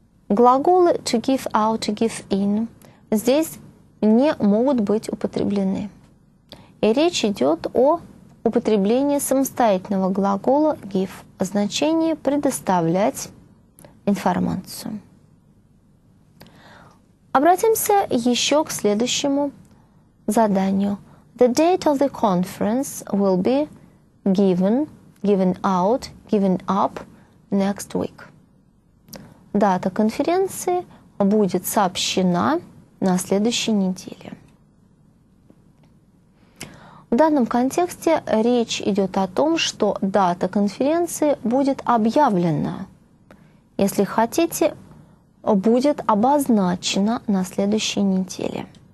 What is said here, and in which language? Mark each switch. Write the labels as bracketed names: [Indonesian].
[Russian] Глаголы to give out, to give in здесь не могут быть употреблены. И речь идет о употреблении самостоятельного глагола give, о значении предоставлять информацию. Обратимся еще к следующему заданию. [English] The date of the conference will be given, given out, given up next week. [Russian] Дата конференции будет сообщена на следующей неделе. В данном контексте речь идет о том, что дата конференции будет объявлена, если хотите, будет обозначена на следующей неделе.